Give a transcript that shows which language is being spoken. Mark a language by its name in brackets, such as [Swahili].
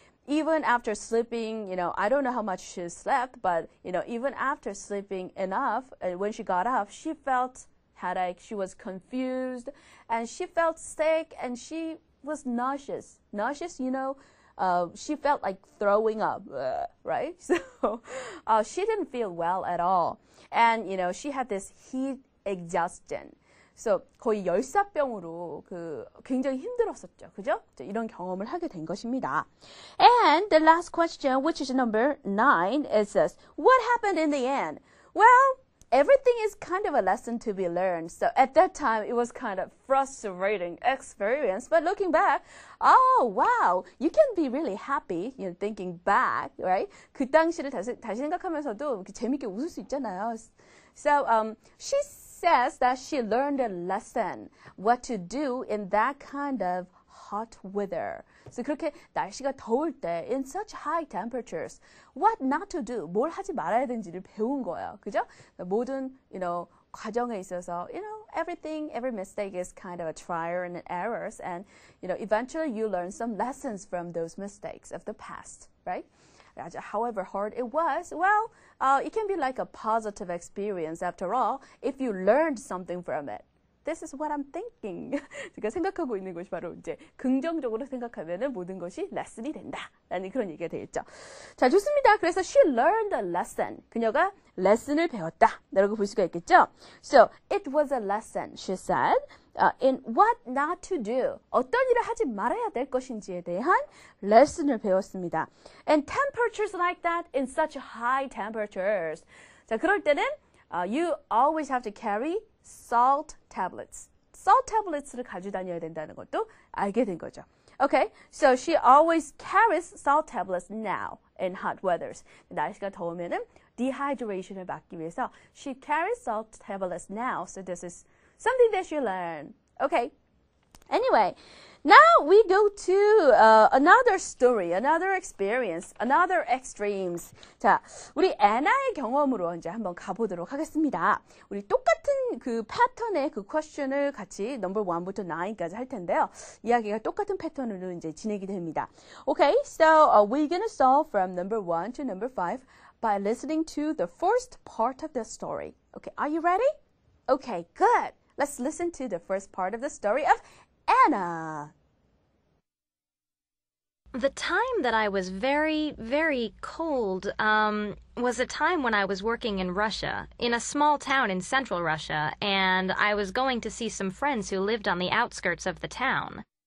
[English] Even after sleeping, you know, I don't know how much she slept, but, you know, even after sleeping enough, when she got up, she felt headache, she was confused, and she felt sick, and she was nauseous. Nauseous, you know, she felt like throwing up, right? So she didn't feel well at all. And, you know, she had this heat exhaustion. [Korean] So 거의 열사병으로 그 굉장히 힘들었었죠. 그죠? 이런 경험을 하게 된 것입니다. [English] And the last question, which is number 9, it says, what happened in the end? Well, everything is kind of a lesson to be learned. So at that time, it was kind of frustrating experience. But looking back, oh, wow, you can be really happy, you know, thinking back, right? [Korean] 그 당시를 다시 생각하면서도 재밌게 웃을 수 있잖아요. [English] So she says that she learned a lesson, what to do in that kind of hot weather. [Korean] So 그렇게 날씨가 더울 때, [English] in such high temperatures, what not to do, [Korean] 뭘 하지 말아야 되는지를 배운 거예요. 그죠? [English] 모든, you know, [Korean] 과정에 있어서, [English] you know, everything, every mistake is kind of a trial and errors. And, you know, eventually you learn some lessons from those mistakes of the past, right? However hard it was, well, it can be like a positive experience after all if you learned something from it. This is what I'm thinking. [Korean] 제가 생각하고 있는 것이 바로 이제 긍정적으로 생각하면은 모든 것이 레슨이 된다라는 그런 얘기가 되겠죠. 자, 좋습니다. 그래서 [English] she learned a lesson. [Korean] 그녀가 레슨을 배웠다. 라고 볼 수가 있겠죠. [English] So, it was a lesson, she said, in what not to do. [Korean] 어떤 일을 하지 말아야 될 것인지에 대한 레슨을 배웠습니다. [English] And temperatures like that in such high temperatures. 자, [Korean] 그럴 때는 [English] you always have to carry salt tablets. [Korean] Salt tablets를 가지고 다녀야 된다는 것도 알게 된 거죠. [English] Okay, so she always carries salt tablets now in hot weathers. [Korean] 날씨가 더우면은 dehydration을 막기 위해서 [English] she carries salt tablets now. So this is something that she learned. Okay, anyway, now we go to another story, another experience, another extremes. [Korean] 자, 우리 애나의 경험으로 이제 한번 가보도록 하겠습니다. 우리 똑같은 그 패턴의 그 question을 같이 number 1부터 9까지 할 텐데요. 이야기가 똑같은 패턴으로 이제 진행이 됩니다. [English] Okay, so we're gonna solve from number 1 to number 5 by listening to the first part of the story. Okay, are you ready? Okay, good. Let's listen to the first part of the story of Anna. The time that I was very, very cold was a time when I was working in Russia, in a small town in central Russia, and I was going to see some friends who lived on the outskirts of the town.